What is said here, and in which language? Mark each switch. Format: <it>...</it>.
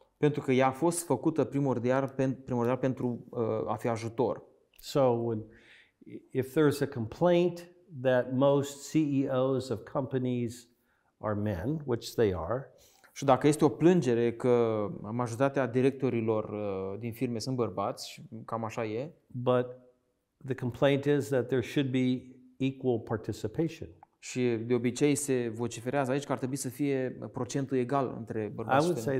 <ro>Pentru că ea a fost făcută primordial pentru a fi ajutor.</ro> <en>So when, if there's a complaint that most CEOs of companies are men, which they are.</en> <ro>Și dacă este o plângere că majoritatea directorilor din firme sunt bărbați, cam așa e.</ro> <en>But the complaint is that there should be equal participation.</en> <ro>Și de obicei se vociferează aici că ar trebui să fie procentul egal între bărbați și femei.</ro>